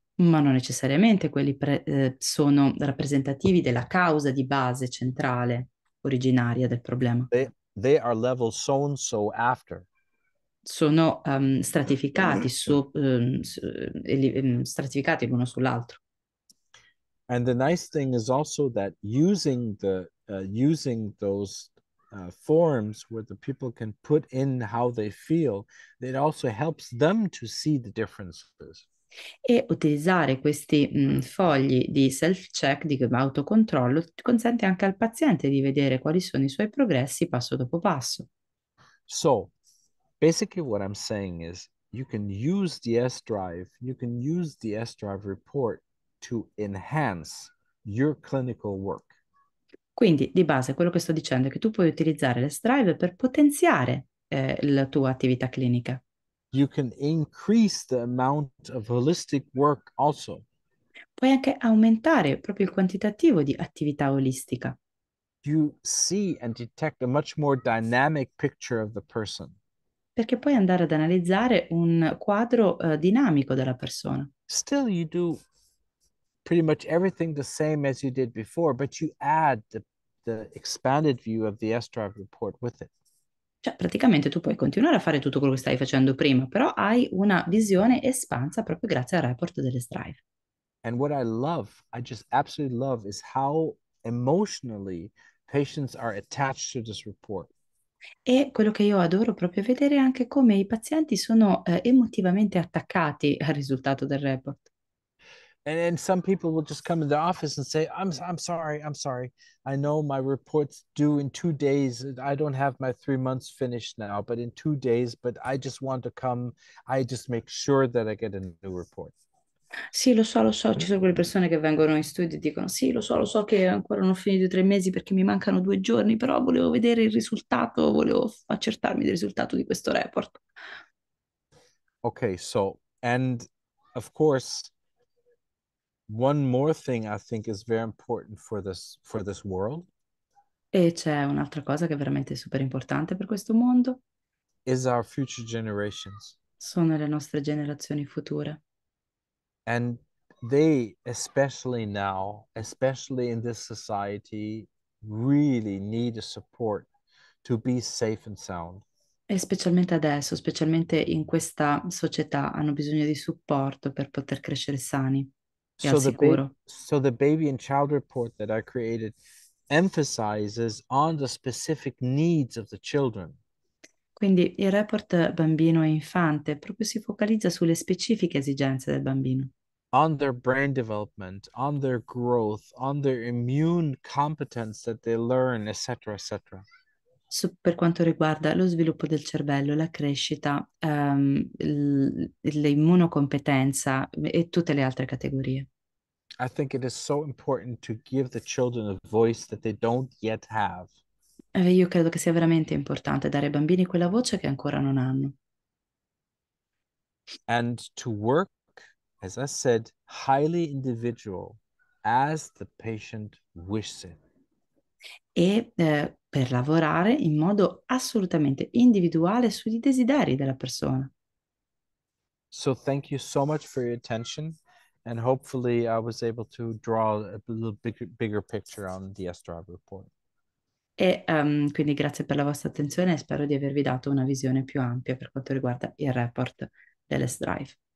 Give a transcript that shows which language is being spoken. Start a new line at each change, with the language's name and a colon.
Italian: Ma non necessariamente quelli sono rappresentativi della causa di base centrale, originaria del problema.
English: They are level so and so after.
Italian: Sono stratificati su, stratificati l'uno sull'altro.
English: And the nice thing is also that using those forms where the people can put in how they feel, it also helps them to see the differences.
Italian: E utilizzare questi fogli di self-check, di autocontrollo, consente anche al paziente di vedere quali sono i suoi progressi passo dopo passo.
English: So, basically what I'm saying is you can use the S-Drive, you can use the S-Drive report to enhance your clinical work.
Italian: Quindi, di base, quello che sto dicendo è che tu puoi utilizzare le Sdrive per potenziare la tua attività clinica.
English: You can increase the amount of holistic work also.
Italian: Puoi anche aumentare proprio il quantitativo di attività olistica.
English: You see and detect a much more dynamic picture of the person.
Italian: Perché puoi andare ad analizzare un quadro dinamico della persona.
English: Still, you do pretty much everything the same as you did before, but you add the expanded view of the S-Drive report with it.
Italian: Cioè, praticamente tu puoi continuare a fare tutto quello che stavi facendo prima, però hai una visione espansa proprio grazie al report delle Sdrive.
English: And what I just absolutely love, is how emotionally patients are attached to this report.
Italian: E quello che io adoro proprio è vedere anche come i pazienti sono emotivamente attaccati al risultato del report.
English: And some people will just come in the office and say, I'm sorry, I'm sorry. I know my report's due in 2 days. I don't have my 3 months finished now, but in 2 days, but I just want to come. I just make sure that I get a new report.
Italian: Sì, lo so, ci sono quelle persone che vengono in studio e dicono: sì, lo so che ancora non ho finito i 3 mesi perché mi mancano 2 giorni, però volevo vedere il risultato, volevo accertarmi del risultato di questo report.
English: Okay, so, and of course, one more thing I think is very important for this world
Italian: E c'è un'altra cosa che è veramente super importante per questo mondo.
English: is our future generations.
Italian: Sono le nostre generazioni future.
English: And they, especially now, especially in this society, really need a support to be safe and sound.
Italian: E specialmente adesso, specialmente in questa società, hanno bisogno di supporto per poter crescere sani e al sicuro.
English: So the baby and child report that I created emphasizes on the specific needs of the children.
Italian: Quindi il report bambino e infante proprio si focalizza sulle specifiche esigenze del bambino.
English: On their brain development, on their growth, on their immune competence that they learn, etc., etc.
Italian: Per quanto riguarda lo sviluppo del cervello, la crescita, l'immunocompetenza e tutte le altre categorie.
English: I think it is so important to give the children a voice that they don't yet have.
Italian: Io credo che sia veramente importante dare ai bambini quella voce che ancora non hanno.
English: And to work, as I said, highly individual as the patient wishes it.
Italian: Per lavorare in modo assolutamente individuale sui desideri della persona.
English: So thank you so much for your attention. And hopefully, I was able to draw a little bigger picture on the S-Drive report.
Italian: Quindi grazie per la vostra attenzione e spero di avervi dato una visione più ampia per quanto riguarda il report delle Sdrive.